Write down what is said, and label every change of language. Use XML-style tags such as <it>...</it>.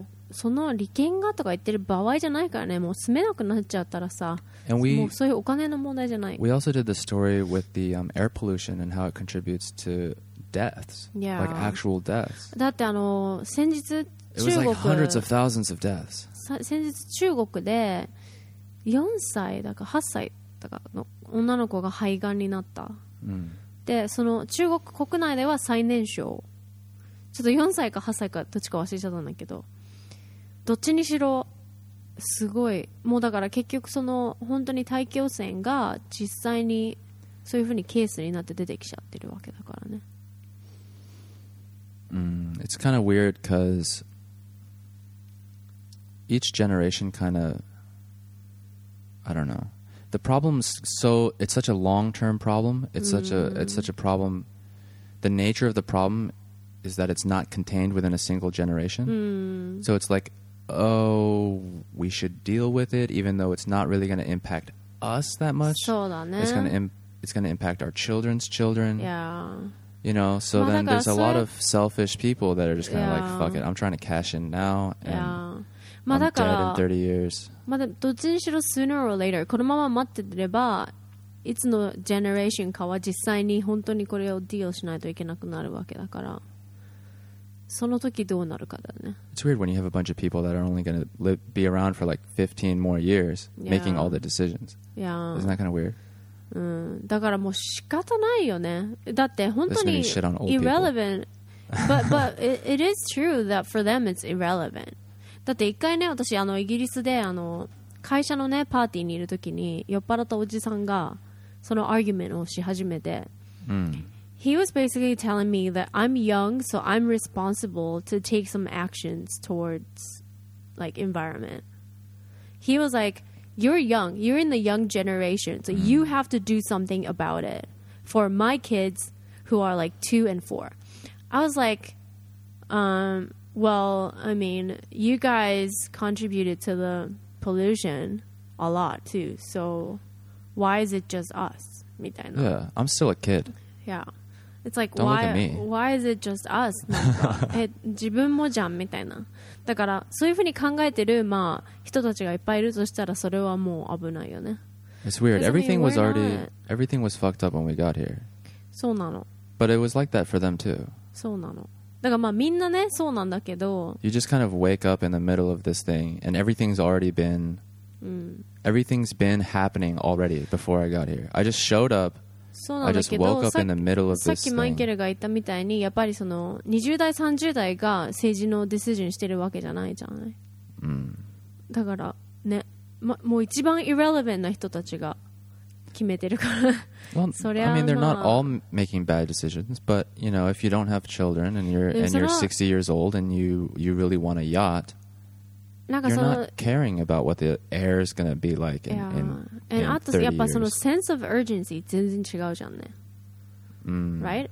<ja>その利権がとか言ってる場合じゃないからね、もう住めなくなっちゃったらさ、もうそういうお金の問題じゃない。</ja> <en>We also did the story with the air pollution and how it contributes to deaths, like actual deaths.</en> <ja>だってあの先日中国、</ja> <en>It was like hundreds of thousands of deaths.</en> <ja>先日中国で4歳だか8歳だかの女の子が肺がんになった。で、その中国国内では最年少、ちょっと4歳か8歳かどっちか忘れちゃったんだけど。どっちにしろすごい、もうだから結局その本当に大気汚染が実際にそういう風にケースになって出てきちゃってるわけだからね。</ja> <en>It's kind of weird because each generation kind of, I don't know, the problem's so, it's such a long-term problem, it's such a problem, the nature of the problem is that it's not contained within a single generation, so it's likeOh, we should deal with it, even though it's not really going to impact us that much.</en> <ja>そうだね。</ja> <en>It's going to impact our children's children. Yeah. You know, so then there's a lot of selfish people that are just kind of like, fuck it, I'm trying to cash in now, and I'm dead in 30 years.</en> <ja>まあ、どっちにしろ</ja> <en>sooner or later、</en> <ja>このまま待ってれば、いつのジェネレーションかは実際に本当にこれをディールしないといけなくなるわけだから。その時どうなるかだね。</ja> <en>It's weird when you have a bunch of people that are only going to be around for like 15 more years making all the decisions. Yeah. Isn't that kind of weird?</en> <ja>だからもう仕方ないよね。だって本当に</ja> <en>irrelevant. But it is true that for them it's irrelevant.</en> <ja>だって一回ね、私あのイギリスであの会社のねパーティーにいる時に酔っ払ったおじさんがそのアーギュメントをし始めて。</ja> <en>He was basically telling me that I'm young, so I'm responsible to take some actions towards, like, environment. He was like, you're young. You're in the young generation, so you have to do something about it for my kids who are, like, 2 and 4. I was like, well, I mean, you guys contributed to the pollution a lot, too. So why is it just us? Yeah, I'm still a kid. Yeah. It's like, why is it just us?</en> <ja>え、自分もじゃんみたいな。だから、そういうふうに考えてる、まあ、人たちがいっぱいいるとしたら、それはもう危ないよね。</ja> <en>It's weird. Everything was already... Everything was fucked up when we got here.</en> <ja>そうなの。</ja> <en>But it was like that for them too.</en> <ja>そうなの。だからまあ、みんなね、そうなんだけど。</ja> <en>You just kind of wake up in the middle of this thing, and everything's already been... Everything's been happening already before I got here. I just showed up...</en> <ja>そうなんだけど、さっきマイケルが言ったみたいに、やっぱりその20代30代が政治のディシジョンしてるわけじゃないじゃない。だからね、ま、もう一番イレレベントな人たちが決めてるから。それは、</ja> <en>I mean, they're not all making bad decisions, but you know, if you don't have children and you're 60 years old and you really want a yacht, you're not caring about what the air is going to be like And also,</en> <ja>やっぱその</ja> <en>sense of urgency</en> <ja>全然違うじゃんね。</ja> <en>Right?</en>